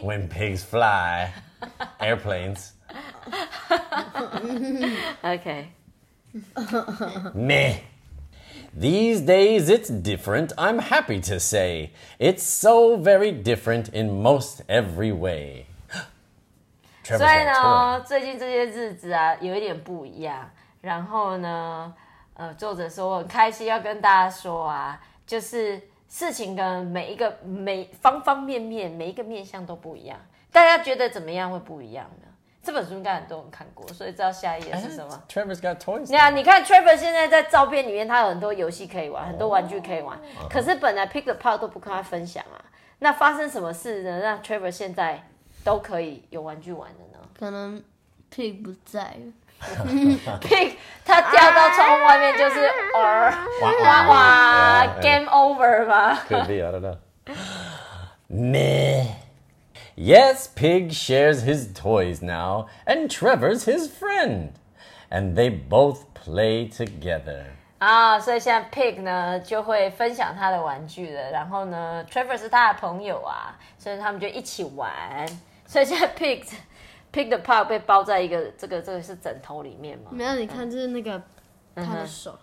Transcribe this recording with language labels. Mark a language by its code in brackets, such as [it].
[en] When pigs fly. Airplanes. Okay. Meh. These days it's different, I'm happy to say. It's so very different in most every way. [zh] 所以呢，最近这些日子啊，有一点不一样。然后呢，作者说我很开心要跟大家说啊，就是事情跟每方方面面，每一个面向都不一样。大家觉得怎么样会不一样呢？这本书应该很多人看过，所以知道下一页是什么。 [en] Trevor's got toys. [zh] 你看 Trevor 现在在照片里面，他有很多游戏可以玩，很多玩具可以玩。可是本来 Pig the Pug 都不跟他分享啊。那发生什么事呢？让 Trevor 现在都可以有玩具玩的呢？可能 Pig 不在了。 Pig 他掉到窗外面就是哇 ， [en] Game over [zh] 吧。 [en] Could be, I don't know. Meh. Yes, Pig shares his toys now, and Trevor's his friend. And they both play together. [zh] 所以现在 Pig 呢就会分享他的玩具了。然后呢 ,Trevor 是他的朋友啊，所以他们就一起玩。所以现在 Pig the Pug 被包在一个这个是枕头里面吗？没有，你看这是那个他的手。